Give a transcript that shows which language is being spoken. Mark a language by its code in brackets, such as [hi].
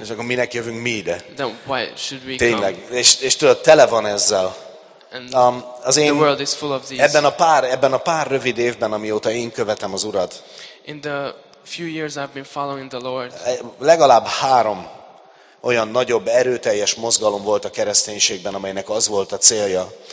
[hu] És akkor minek jövünk mi ide? [en] Then why should we [hu] tényleg [en] come? [hu] És tudod, tele van ezzel. Az én, [en] the world is full of these. [hu] Ebben a pár rövid évben, amióta én követem az Urat, [en] in the few years I've been following the Lord, [hu] legalább három olyan nagyobb, erőteljes mozgalom volt a kereszténységben, amelynek az volt a célja.